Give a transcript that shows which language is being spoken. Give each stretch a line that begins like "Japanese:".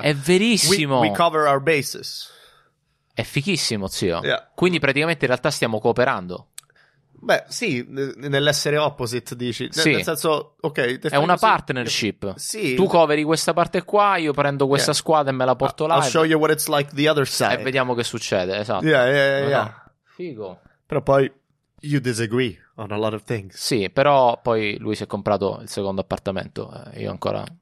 Italian: È verissimo!
English: We cover our bases.
Italian: È fichissimo, zio.
English: Yeah.
Italian: Quindi praticamente in realtà stiamo cooperando. Beh, sì, nell'essere opposite, dici. Sì. Nel senso, ok. È una partnership. Sì. Tu coveri questa parte qua, io prendo questa squadra e me la porto là.
English: I'll show you what it's like the other side.
Italian: E vediamo che succede, esatto.
English: Yeah.
Italian: Figo. Però poi,
English: you disagree on a lot of things.
Italian: Sì, però poi lui si è comprato il secondo appartamento, io ancora...